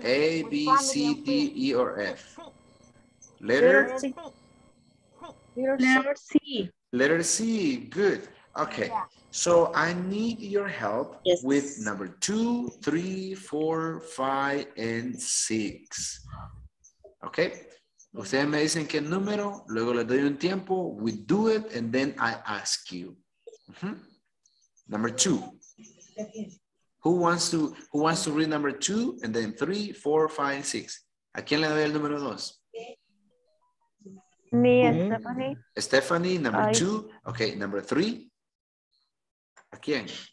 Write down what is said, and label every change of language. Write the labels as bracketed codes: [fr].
[en] A, B, C, D, E, or F? Letter C. Good. Okay. Yeah. So I need your help with number 2, 3, 4, 5, and 6. Okay. [es] Ustedes me dicen qué número, luego le doy un tiempo. [en] We do it, and then I ask you. Mm-hmm. Number 2. Who wants to read number 2, and then 3, 4, 5, 6? [es] ¿A quién le doy el número 2? [en] Me and Stephanie. Stephanie, number 2. Okay, number 3. [es] ¿A quién?